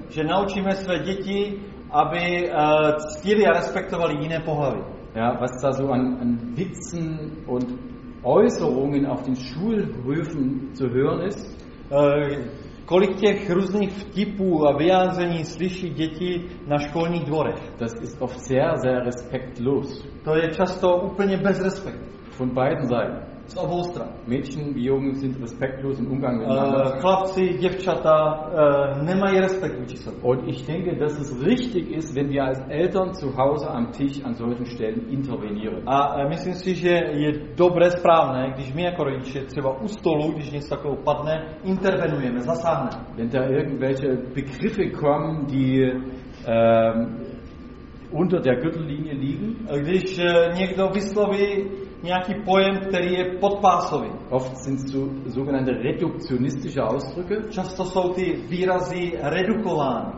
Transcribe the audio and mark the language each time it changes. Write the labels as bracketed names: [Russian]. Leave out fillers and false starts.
[Czech] Že naučíme své děti, aby ctili a respektovali jiné pohlaví. [German] Ja, was da so an Witzen und Äußerungen auf den Schulhöfen zu hören ist. [Czech] Kolik těch různých vtipů a vyjádření slyší děti na školních dvorech. [German] Das ist oft sehr, sehr respektlos. [Czech] To je často úplně bez respektu. [German] Von beiden Seiten. [Czech] Z obou stran. [German] Mädchen wie Jungen sind respektlos im Umgang miteinander. [Czech] Chlapci, děvčata nemají respekt vůči sobě. [German] Und ich denke, dass es richtig ist, wenn wir als Eltern zu Hause am Tisch an solchen Stellen intervenieren. [Czech] A myslím si, že je dobré, správné, když my jako rodiče třeba u stolu, když něco takového padne, intervenujeme, zasáhneme. [German] Wenn da irgendwelche Begriffe kommen, die unter der Gürtellinie liegen. [Czech] Když někdo vysloví nějaký pojem, který je podpásový. [German] Oft sind es sogenannte reduktionistische Ausdrücke. [Czech] Často jsou ty výrazy redukovány.